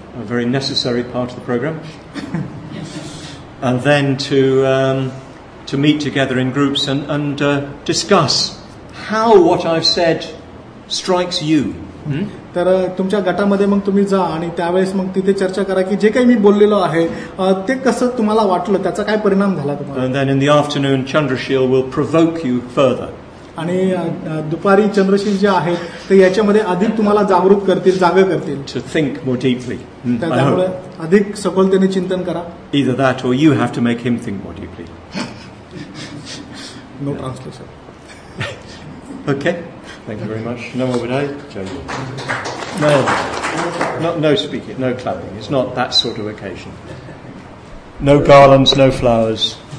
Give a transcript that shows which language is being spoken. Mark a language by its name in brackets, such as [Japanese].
[English] a very necessary part of the program. And then to meet together in groups and discuss how what I've said strikes you. [Marathi] तर तुमच्या गटामध्ये मग तुम्ही जा आणि त्यावेळेस मग तिथे चर्चा करा की जे काही मी बोललेलो आहे ते कसं तुम्हाला वाटलं, त्याचा काय परिणाम झाला तुम्हाला. [English] And then in the afternoon Chandrashil will provoke you further. [Marathi] आणि दुपारी चंद्रशील जे आहेत ते याच्यामध्ये अधिक तुम्हाला जागरूक करतील, जाग करतील. [English] To think more deeply. [Marathi] त्यामुळे अधिक सखोलतेने चिंतन करा. [English] Either that or you have to make him think more deeply. No translation. Okay. Thank you very much. No more today. No. No speaking, no clapping. It's not that sort of occasion. No garlands, no flowers.